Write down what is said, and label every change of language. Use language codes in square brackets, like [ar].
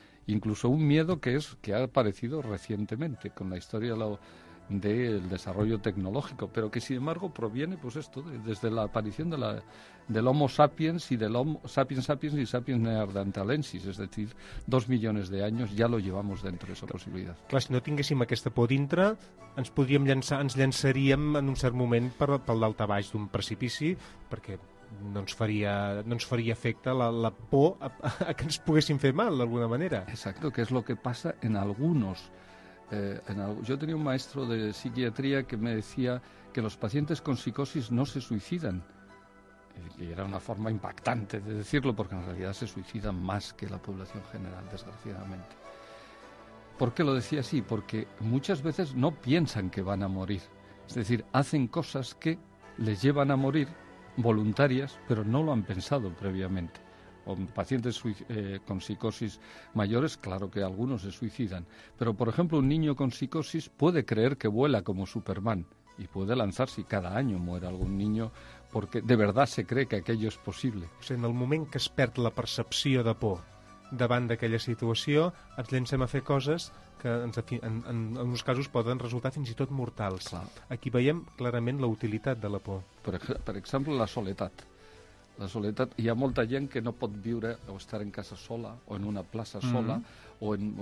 [es] Incluso un miedo que ha aparecido recientemente con la historia del desarrollo tecnológico, pero que sin embargo proviene, pues esto, desde la aparición del Homo sapiens y del Homo sapiens sapiens y sapiens neandertalensis, es decir, [ca] 2 milions d'anys [es] ja lo llevamos dentro, esa possibilitat. [ca] Clar, si no tinguéssim aquesta por dintre, ens llançaríem en un cert moment pel dalt a baix d'un precipici, perquè no ens faria efecte la por a que ens poguéssim fer mal d'alguna manera. [es] Exacto, que es lo que pasa en algunos. Yo tenía un maestro de psiquiatría que me decía que los pacientes con psicosis no se suicidan. Y era una forma impactante de decirlo, porque en realidad se suicidan más que la población general, desgraciadamente. ¿Por qué lo decía así? Porque muchas veces no piensan que van a morir. Es decir, hacen cosas que les llevan a morir, voluntarias, pero no lo han pensado previamente. O pacientes con psicosis mayores, claro que algunos se suicidan. Pero, por ejemplo, un niño con psicosis puede creer que vuela como Superman y puede lanzarse, y cada año muere algún niño porque de verdad se cree que aquello es posible. [ca] O sea, en el moment que es perd la percepció de por davant d'aquella situació, ens llencem a fer coses que en uns casos poden resultar fins i tot mortals. Clar. Aquí veiem clarament la utilitat de la por. Per exemple, la soledat. La soledat, hi ha molta gent que no pot viure o estar en casa sola, o en una plaça sola, mm-hmm.